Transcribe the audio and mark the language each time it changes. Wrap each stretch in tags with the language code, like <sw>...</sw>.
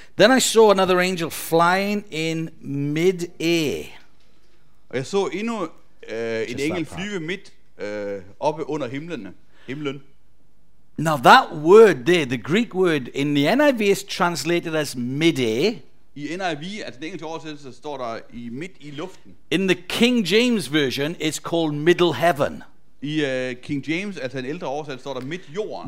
<en>Then I saw another angel flying in mid air.</en> <da>Og jeg så endnu en engel flyve midt oppe under himlen.</da> <en>Now that word there, the Greek word in the NIV is translated as mid air.</en> <da>I NIV, altså den engelske oversættelse, står der i midt i luften.</da> <en>In the King James version, it's called middle heaven.</en> <da>I King James, altså den ældre oversættelse, står der midt jorden.</da>